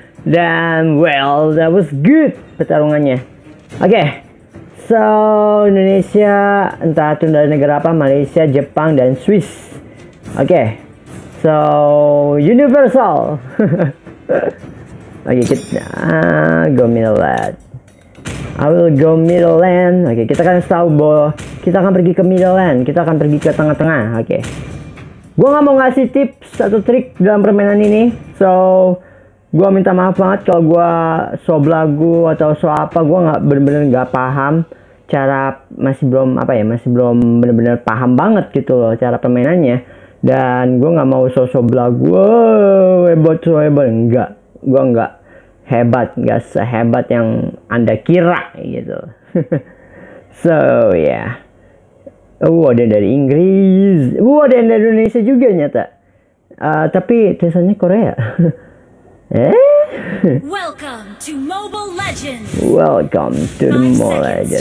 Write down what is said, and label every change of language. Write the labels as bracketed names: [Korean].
[Indonesian] Dan [English] well, that was good [Indonesian] pertarungannya. Oke. So, Indonesia, entah itu dari negara apa, Malaysia, Jepang dan Swiss. [English] Oke. So, universal. Oke, go middle land. I will go middle land. [Indonesian] Oke, kita akan tahu bahwa kita akan pergi ke middle land. Kita akan pergi ke tengah-tengah. Oke. Gua nggak mau ngasih tips atau trik dalam permainan ini. So, gua minta maaf banget kalau gua so belagu atau so apa. Gua nggak benar-benar nggak paham cara, masih belum benar-benar paham banget gitu loh cara permainannya. Dan gua nggak mau so belagu. Hebat, so hebat, enggak. Gua enggak hebat, enggak sehebat yang Anda kira gitu. So, ya. Yeah. Ada yang dari Inggris. Ada yang dari Indonesia juga nyata. Tapi tulisannya Korea. [English] Welcome to Mobile Legends. Welcome to the Mobile Legends.